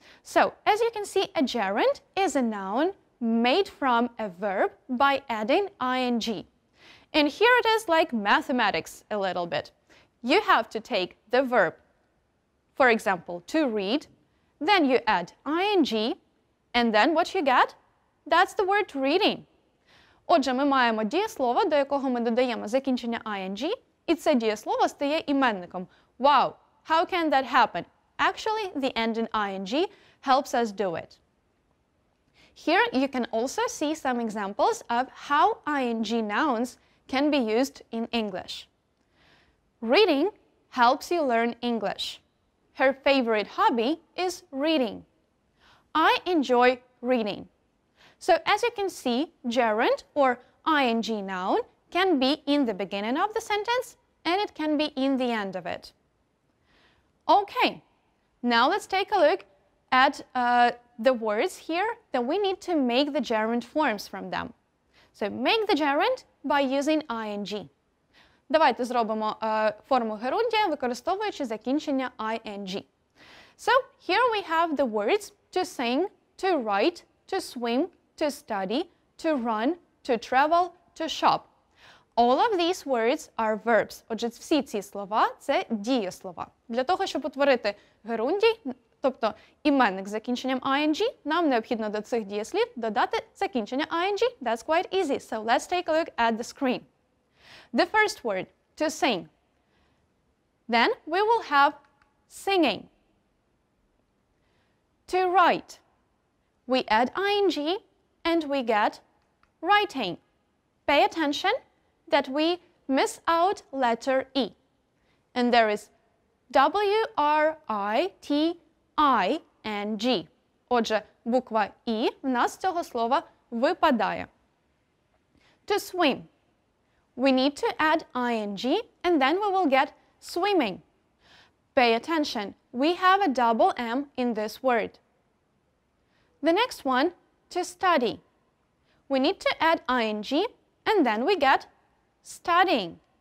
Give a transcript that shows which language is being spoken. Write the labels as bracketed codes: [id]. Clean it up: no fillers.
[en] So, as you can see, a gerund is a noun made from a verb by adding ing. And here it is like mathematics a little bit. You have to take the verb, for example, to read, then you add ing, and then what you get? That's the word reading. [uk] Отже, ми маємо дієслово, до якого ми додаємо закінчення ing, і це дієслово стає іменником. [en] Wow, how can that happen? Actually, the ending ing helps us do it. Here you can also see some examples of how ing nouns can be used in English. Reading helps you learn English. Her favorite hobby is reading. I enjoy reading. So, as you can see, gerund or ing noun can be in the beginning of the sentence and it can be in the end of it. Okay, now let's take a look at the words here that we need to make the gerund forms from them. So, make the gerund by using ing. [uk] Давайте зробимо форму герундія, використовуючи закінчення ing. [en] So, here we have the words to sing, to write, to swim, to study, to run, to travel, to shop. All of these words are verbs. [uk] Отже, всі ці слова – це дієслова. Для того, щоб утворити герундій, тобто іменник з закінченням ing, нам необхідно до цих дієслів додати закінчення ing. [en] That's quite easy. So, let's take a look at the screen. The first word, to sing. Then we will have singing. To write. We add ing and we get writing. Pay attention that we miss out letter E. And there is writing. [uk] Отже, буква І в нас цього слова випадає. [en] To swim. We need to add ing and then we will get swimming. Pay attention, we have a double M in this word. The next one, to study. We need to add ing and then we get studying.